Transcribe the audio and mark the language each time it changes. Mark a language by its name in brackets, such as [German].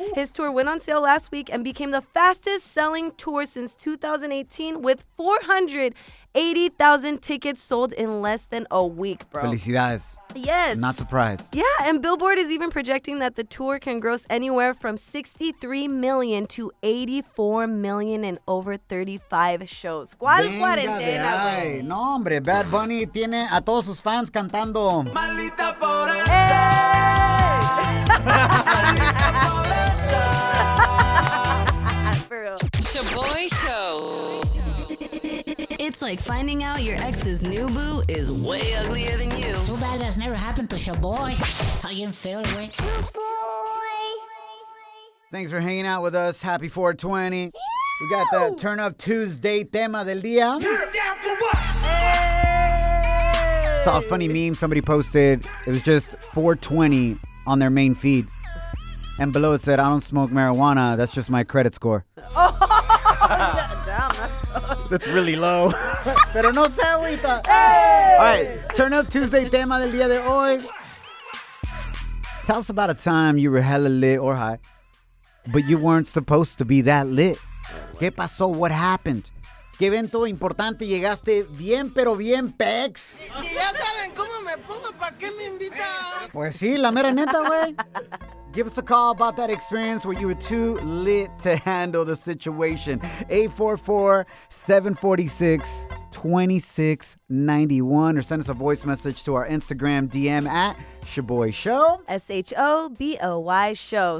[English] His tour went on sale last week and became the fastest selling tour since 2018 with 480,000 tickets sold in less than a week, bro. Felicidades. Yes. Not surprised. Yeah, and Billboard is even projecting that the tour can gross anywhere from $63 million to $84 million in over 35 shows. [Spanish] ¿Cuál cuarentena, güey? No, hombre, Bad Bunny tiene a todos sus fans cantando. Maldita por eso. ¡Hey! [English] Shaboy Show. It's like finding out your ex's new boo is way uglier than you. Too bad that's never happened to Shaboy. How you feel, boy? Shaboy. Thanks for hanging out with us. Happy 420. Yeah. We got the Turn Up Tuesday [Spanish] tema del día. [English] Turn down for what? Hey. Saw a funny meme somebody posted. It was just 420 on their main feed. And below it said, I don't smoke marijuana. That's just my credit score. Damn, that's that's really low. [Spanish] Pero no se agüita. [English] All right, Turn Up Tuesday [Spanish] tema del día de hoy. [English] Tell us about a time you were hella lit or high, but you weren't supposed to be that lit. [Spanish] ¿Qué pasó? [English] What happened? [Spanish] ¿Qué evento importante llegaste bien, pero bien, Pex? Si ya saben cómo me pongo, ¿para qué me invitan? Pues sí, la mera neta, güey. [English] Give us a call about that experience where you were too lit to handle the situation. 844-746-2691. Or send us a voice message to our Instagram DM at Shaboy Show. S-H-O-B-O-Y Show.